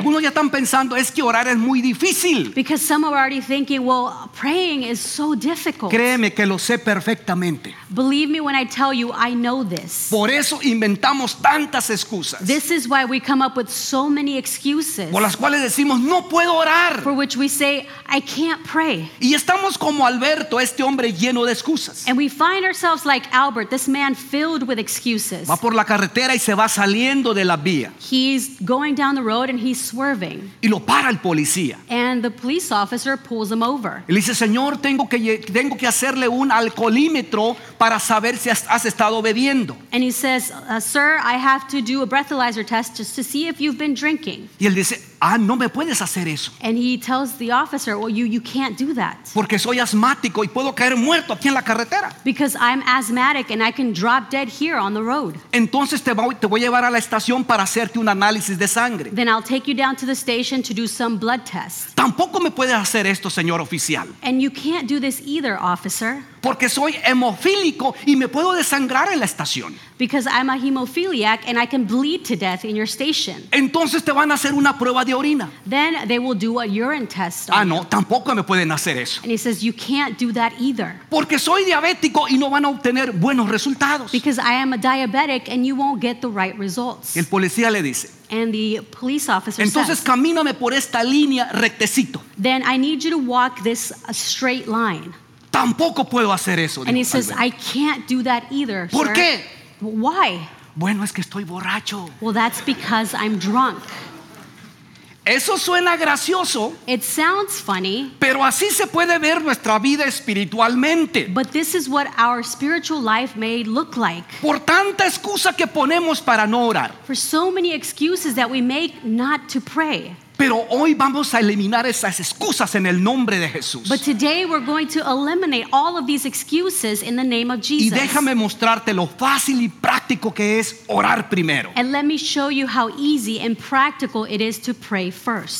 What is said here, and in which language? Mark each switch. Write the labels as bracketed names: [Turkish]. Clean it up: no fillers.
[Spanish] Porque algunos ya están pensando es que orar es muy difícil. [English] Because some are already thinking, well, praying is so difficult. [Spanish] Créeme que lo sé perfectamente. [English] Believe me when I tell you, I know this. [Spanish] Por eso inventamos tantas excusas. [English] This is why we come up with so many excuses. [Spanish] Por las cuales decimos, no puedo orar. [English] For which we say, I can't pray. [Spanish] Y estamos como Alberto, este hombre lleno de excusas. [English] And we find ourselves like Albert, this man filled with excuses. [Spanish] Va por la carretera y se va saliendo de la vía. [English] He's going down the road and he's swerving. [Spanish] Y lo para el policía. [English] And the police officer pulls him over. [Spanish] Él dice, "Señor, tengo que hacerle un alcoholímetro para saber si has estado bebiendo." [English] And he says, "Sir, I have to do a breathalyzer test just to see if you've been drinking." [Spanish] Y él dice, "Ah, no me puedes hacer eso." [English] And he tells the officer, "Well, you can't do that." [Spanish] Porque soy asmático y puedo caer muerto aquí en la carretera. [English] Because I'm asthmatic and I can drop dead here on the road. [Spanish] Entonces te voy a llevar a la estación para hacerte un análisis de sangre. [English] Then I'll take you down to the station to do some blood tests. [Spanish] Tampoco me puedes hacer esto, señor oficial. [English] And you can't do this either, officer. [Spanish] Porque soy hemofílico y me puedo desangrar en la estación. [English] Because I'm a hemophiliac and I can bleed to death in your station. [Spanish] Entonces te van a hacer una prueba de orina. [English] Then they will do a urine test on you. [Spanish] Ah, no, tampoco me pueden hacer eso. [English] And he says, you can't do that either. [Spanish] Porque soy diabético y no van a obtener buenos resultados. [English] Because I am a diabetic and you won't get the right results. [Spanish] Y el policía le dice, [English] and the police officer [Spanish] entonces, [English] says, [Spanish] camíname por esta línea rectecito. [English] Then I need you to walk this straight line. [Spanish] Tampoco puedo hacer eso. [English] And he says, I can't do that either, [Spanish] ¿por [English] sir? [Spanish] Qué? [English] Why? [Spanish] Bueno, es que estoy borracho. [English] Well, that's because I'm drunk. [Spanish] Eso suena gracioso. [English] It sounds funny. [Spanish] Pero así se puede ver nuestra vida espiritualmente. [English] But this is what our spiritual life may look like. [Spanish] Por tanta excusa que ponemos para no orar. [English] For so many excuses that we make not to pray. [Spanish] Pero hoy vamos a eliminar esas excusas en el nombre de Jesús. [English] But today we're going to eliminate all of these excuses in the name of Jesus. [Spanish] Y déjame mostrarte lo fácil y práctico que es orar primero. [English] And let me show you how easy and practical it is to pray first.